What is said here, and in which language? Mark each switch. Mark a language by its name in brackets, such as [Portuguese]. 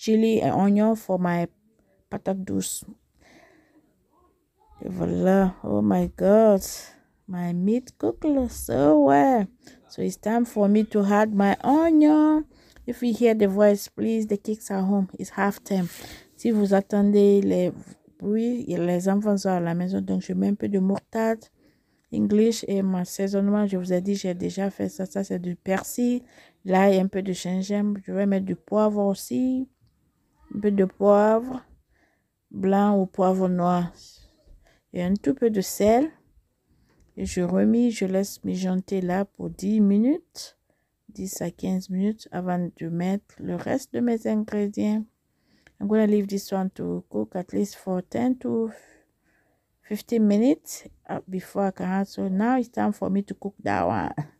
[English] chili and onion for my patate douce. Et voilà. Oh my God. My meat cooked so well. So it's time for me to add my onion. If you hear the voice, please, the kids are home. It's half time. [French] Si vous attendez les bruits, les enfants sont à la maison. Donc, je mets un peu de moutarde, English et ma saisonnement. Je vous ai dit, j'ai déjà fait ça. Ça, c'est du persil. Là, il y a un peu de gingembre. Je vais mettre du poivre aussi. Un peu de poivre blanc ou poivre noir. Et un tout peu de sel. Et je remis, je laisse mijoter là pour 10 minutes. 10 à 15 minutes avant de mettre le reste de mes ingrédients. [English] I'm going to leave this one to cook at least for 10 to 15 minutes before I can add. So now it's time for me to cook that one.